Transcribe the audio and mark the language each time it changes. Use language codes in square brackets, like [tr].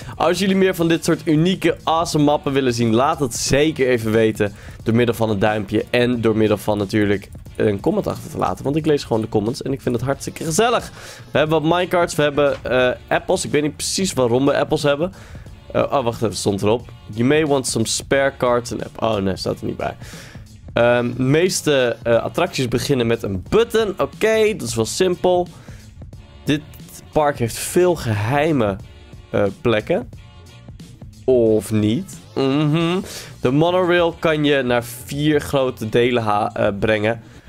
[nl] Als jullie meer van dit soort unieke awesome mappen willen zien, laat het zeker even weten. Door middel van een duimpje en door middel van natuurlijk een comment achter te laten. Want ik lees gewoon de comments en ik vind het hartstikke gezellig. We hebben wat minecarts, we hebben [en] apples. [nl] Ik weet niet precies waarom we [en] apples [nl] hebben. Oh, wacht even, stond erop. [en] You may want some spare carts and apples. [nl] Oh nee, staat er niet bij. De meeste attracties beginnen met een button. Oké, dat is wel simpel. Dit park heeft veel geheime plekken. Of niet. Mm-hmm. De monorail kan je naar 4 grote delen brengen.